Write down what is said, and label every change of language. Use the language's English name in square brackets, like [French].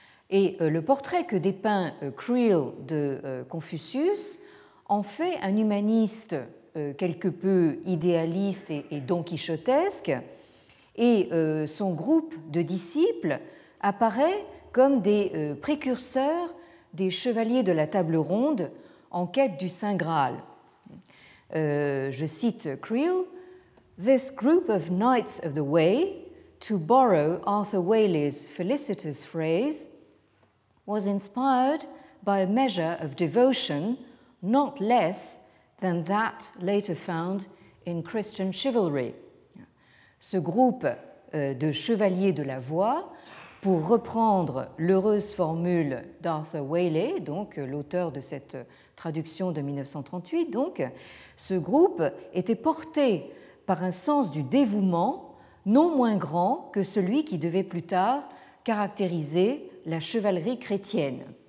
[French] Et le portrait que dépeint Creel de Confucius en fait un humaniste quelque peu idéaliste et donquichotesque, et son groupe de disciples apparaît comme des précurseurs des chevaliers de la Table Ronde en quête du Saint Graal. Je cite Creel: [English] This group of Knights of the Way, to borrow Arthur Whaley's felicitous phrase, was inspired by a measure of devotion not less than that later found in Christian chivalry. [French] Ce groupe de chevaliers de la voie, pour reprendre l'heureuse formule d'Arthur Whaley, donc l'auteur de cette traduction de 1938, donc ce groupe était porté par un sens du dévouement non moins grand que celui qui devait plus tard caractériser la chevalerie chrétienne.